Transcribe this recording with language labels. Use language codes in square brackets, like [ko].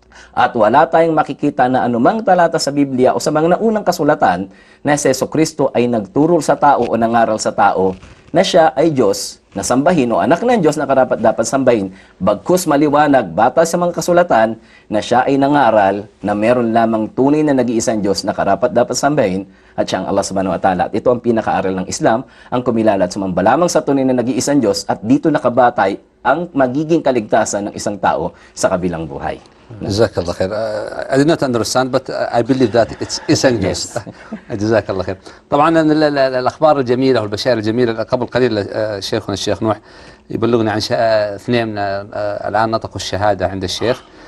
[tl] at wala tayong makikita na anumang talata sa Biblia o sa mga naunang kasulatan na si Heso Kristo ay nagturo sa tao o nangaral sa tao na siya ay Diyos na sambahin o anak ng Diyos na karapat dapat sambahin, bagkus maliwanag batas sa mga kasulatan na siya ay nangaral na meron lamang tunay na nag-iisang Diyos na karapat dapat sambahin at siya ang Allah subhanahu wa ta'ala. At ito ang pinakaaral ng Islam, ang kumilala at sumamba lamang sa tunay na nag-iisang Diyos, at dito nakabatay ang magiging kaligtasan ng isang tao sa kabilang buhay. [ar] Jazakallah khair. [en] I did not understand, but I believe that it's essential. Yes. [ar] Jazakallah khair. طبعا الاخبار الجميله والبشائر الجميله قبل قليل شيخنا الشيخ نوح يبلغنا عن اثنين الان نطقوا الشهاده عند الشيخ.